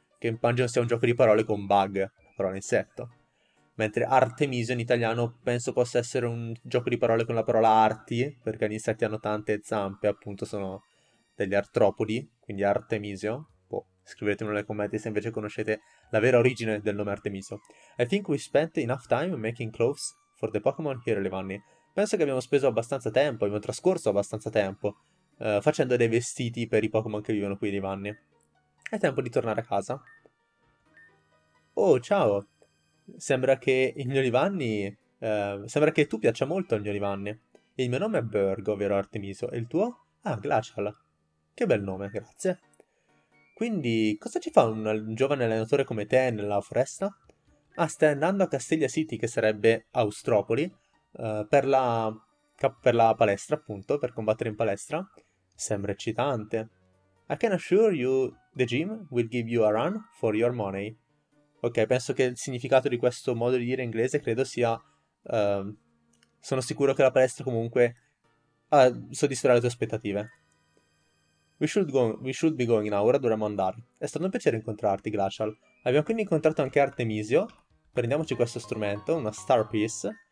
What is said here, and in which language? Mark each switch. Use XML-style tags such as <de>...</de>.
<it>Che in Pungeon sia un gioco di parole con bug, la parola insetto. Mentre Artemisio in italiano penso possa essere un gioco di parole con la parola arti, perché gli insetti hanno tante zampe, appunto sono degli artropodi, quindi Artemisio. Scrivetemi nei commenti se invece conoscete la vera origine del nome Artemisio.</it> <en>I think we spent enough time making clothes for the Pokémon here, Levanny.</en> <it>Penso che abbiamo speso abbastanza tempo, abbiamo trascorso abbastanza tempo, facendo dei vestiti per i Pokémon che vivono qui, Levanny. È tempo di tornare a casa. Oh, ciao! Sembra che il mio Levanny. Sembra che tu piaccia molto al mio Levanny. Il mio nome è Berg, ovvero Artemisio, e il tuo? Ah, Glacial. Che bel nome, grazie. Quindi, cosa ci fa un giovane allenatore come te nella foresta? Ah, stai andando a Castelia City, che sarebbe Austropoli, per la palestra, appunto, per combattere in palestra. Sembra eccitante.</it> <en>I can assure you the gym will give you a run for your money.</en> <it>Ok, penso che il significato di questo modo di dire inglese credo sia... sono sicuro che la palestra comunque soddisferà le tue aspettative.</it> <en>We should be going now,</en> <it>ora dovremmo andare. È stato un piacere incontrarti, Glacial. Abbiamo quindi incontrato anche Artemisio. Prendiamoci questo strumento, una Star Piece.</it>